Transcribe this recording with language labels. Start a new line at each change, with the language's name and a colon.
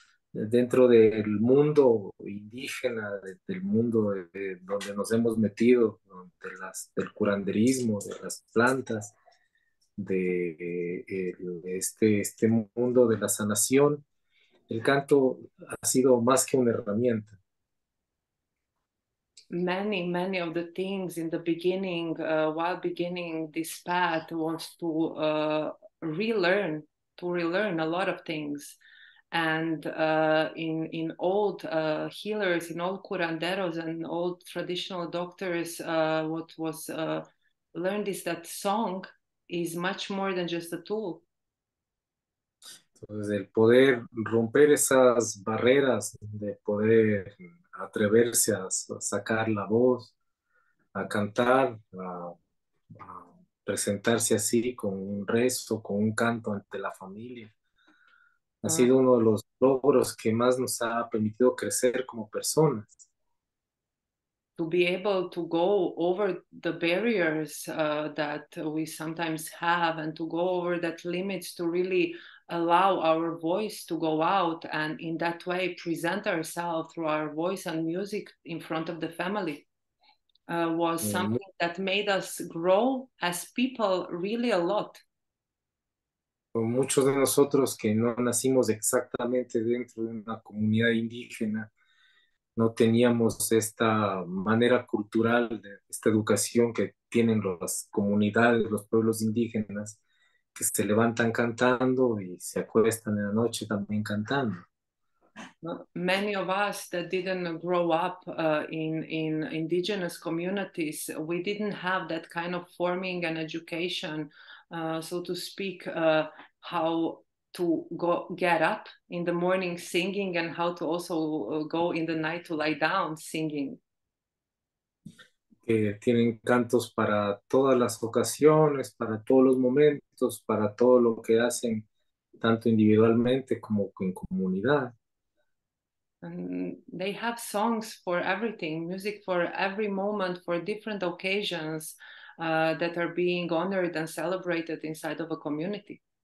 Spanish: Dentro del mundo indígena, del mundo donde nos hemos metido, ¿no? Del curanderismo, de las plantas, este mundo de la sanación. El canto ha sido más que una herramienta.
English: Many of the things in the beginning, while beginning this path, was to relearn a lot of things. And in old healers, in old curanderos and old traditional doctors, what was learned is that song is much more than just a tool.
Spanish: Entonces, el poder romper esas barreras de poder atreverse a sacar la voz, a cantar, a presentarse así con un rezo, con un canto ante la familia, ha sido uno de los logros que más nos ha permitido crecer como personas.
English: To be able to go over the barriers that we sometimes have and to go over that limits to really allow our voice to go out and in that way present ourselves through our voice and music in front of the family was something that made us grow as people really a lot.
Spanish: Muchos de nosotros que no nacimos exactamente dentro de una comunidad indígena, no teníamos esta manera cultural, esta educación que tienen las comunidades, los pueblos indígenas, que se levantan cantando y se acuestan en la noche también cantando.
English: Many of us that didn't grow up in indigenous communities, we didn't have that kind of forming and education, so to speak, how to go get up in the morning singing and how to also go in the night to lie down singing.
Spanish: Que tienen cantos para todas las ocasiones, para todos los momentos, para todo lo que hacen, tanto individualmente como en comunidad.
English: And they have songs for everything, music for every moment, for different occasions that are being honored and celebrated inside of a community.